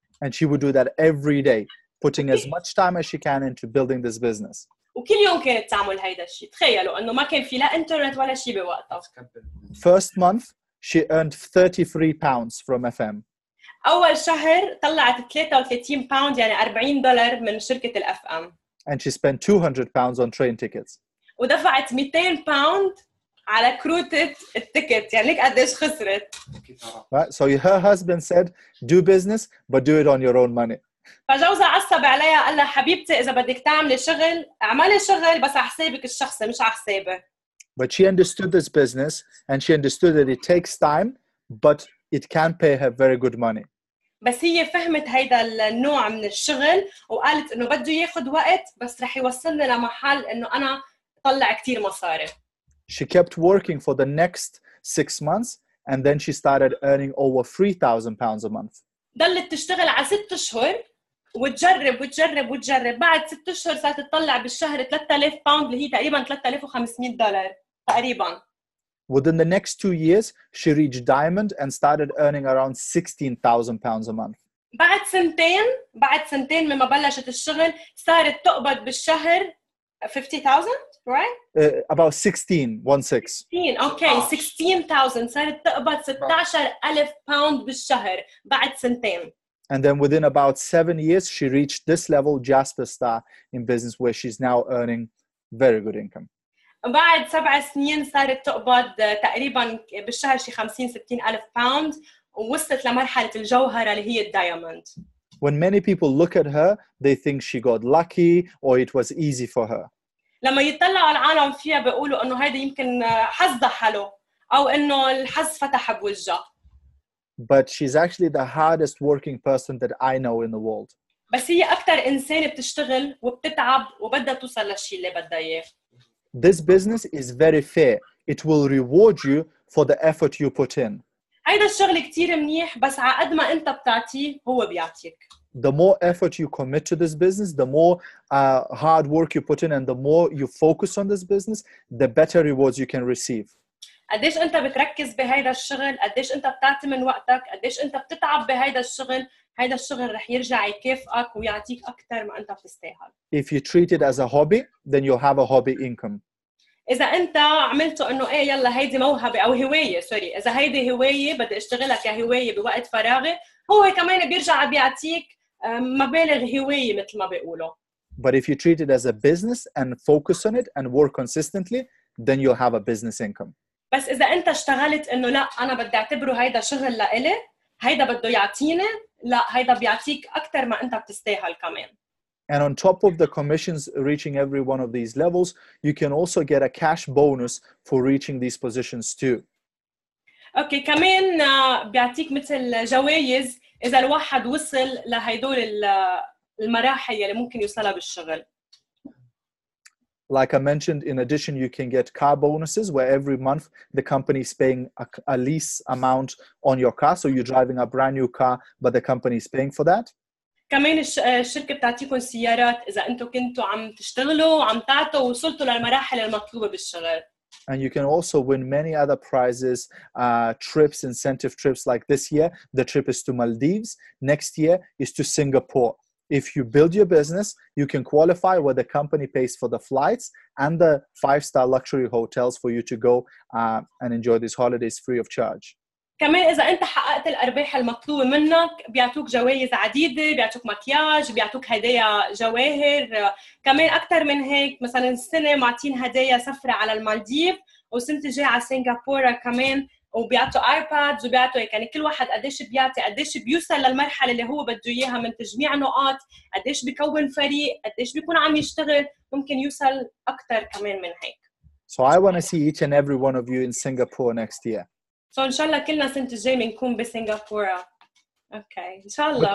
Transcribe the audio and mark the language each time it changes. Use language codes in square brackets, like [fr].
[en] And she would do that every day, putting as much time as she can into building this business. [ar] وكل يوم كانت تعمل هيدا الشيء. تخيلوا إنه ما كان في لا إنترنت ولا شيء بوقتها. [en] First month, she earned £33 from FM. [ar] أول شهر طلعت 33 باوند يعني $40 من شركة الأف أم. [en] And she spent £200 on train tickets. [ar] ودفعت 200 pound على كروتة التيكت. يعني قديش خسرت. [en] Right. So her husband said, "Do business, but do it on your own money." [ar] فجوزها عصب عليها قال لها حبيبتي إذا بدك تعملي شغل اعملي شغل بس على حسابك الشخصي مش على حسابه. [en] But she understood this business and she understood that it takes time, but it can pay her very good money. [ar] بس هي فهمت هيدا النوع من الشغل وقالت انه بده ياخد وقت بس رح يوصلني لمحل انه انا طلع كتير مصاري. [en] She kept working for the next 6 months and then she started earning over £3,000 a month. [ar] ضلت تشتغل على 6 شهور وتجرب بعد 6 شهور صارت تطلع بالشهر 3000 باوند اللي هي تقريبا $3,500 تقريبا. [en] Within the next 2 years, she reached diamond and started earning around £16,000 a month. [ar] بعد سنتين مما بلشت الشغل صارت تقبض بالشهر $50,000, right? [en] About 16. [ar] Okay, 16,000 صارت تقبض 16,000 pound بالشهر بعد سنتين. [en] And then within about 7 years, she reached this level, Jasper Star, in business where she's now earning very good income. [ar] بعد 7 سنين صارت تقبض تقريبا بالشهر شي 50-60 ألف باوند ووصلت لمرحلة الجوهرة اللي هي الدايموند. [en] When many people look at her, they think she got lucky or it was easy for her. [ar] لما يطلعوا العالم فيها بيقولوا انه هيدا يمكن حظها حلو او انه الحظ فتح بوجهها. [en] But she's actually the hardest working person that I know in the world. [ar] بس هي اكثر انسان بتشتغل وبتتعب وبدها توصل للشيء اللي بدها اياه. [en] This business is very fair. It will reward you for the effort you put in. [ar] هيدا الشغل كتير منيح بس على قد ما انت بتعطيه هو بيعطيك. [en] The more effort you commit to this business, the more hard work you put in and the more you focus on this business, the better rewards you can receive. [ar] قديش انت بتركز بهيدا الشغل, قديش انت بتعطي من وقتك, قديش انت بتتعب بهيدا الشغل, هيدا الشغل رح يرجع يكافئك ويعطيك اكثر ما انت بتستاهل. [en] If you treat it as a hobby, then you'll have a hobby income. [ar] إذا أنت عملته إنه إيه يلا هيدي موهبة أو هواية سوري إذا هيدي هواية بدي أشتغلها كهواية بوقت فراغي هو كمان بيرجع بيعطيك مبالغ هواية مثل ما بيقولوا. [en] But if you treat it as a business and focus on it and work consistently, then you'll have a business income. [ar] بس إذا أنت اشتغلت إنه لا أنا بدي أعتبره هيدا شغل لإلي هيدا بده يعطيني لا هيدا بيعطيك أكتر ما أنت بتستاهل كمان. [en] And on top of the commissions reaching every one of these levels, you can also get a cash bonus for reaching these positions too. [ar] Okay, كمان بيعطيك مثل جوائز إذا الواحد وصل لهيدول المراحل اللي ممكن يوصلها بالشغل. [en] Like I mentioned, in addition, you can get car bonuses where every month the company is paying a lease amount on your car. So you're driving a brand new car, but the company is paying for that. [ar] كمان الشركة بتعطيكم سيارات إذا أنتوا كنتوا عم تشتغلوا وعم تعطوا ووصلتوا للمراحل المطلوبة بالشغل. [en] And you can also win many other prizes, trips, incentive trips like this year. The trip is to Maldives. Next year is to Singapore. If you build your business, you can qualify where the company pays for the flights and the 5-star luxury hotels for you to go and enjoy these holidays free of charge. [ar] كمان إذا أنت حققت الأرباح المطلوبة منك بيعطوك جوائز عديدة بيعطوك مكياج بيعطوك هدايا جواهر كمان أكتر من هيك مثلا السنة معطين هدايا سفرة على المالديف وسنة جاي على سنغافورة كمان وبيعطوا آيبادز وبيعطوا هيك يعني كل واحد قديش بيعطي قديش بيوصل للمرحلة اللي هو بده إياها من تجميع نقاط قديش بيكون فريق قديش بيكون عم يشتغل ممكن يوصل أكتر كمان من هيك. [en] So I want to see each and every one of you in Singapore next year. [ar] So إن شاء الله كلنا سنة الجاي منكون بسنغافورة. Okay, إن شاء الله.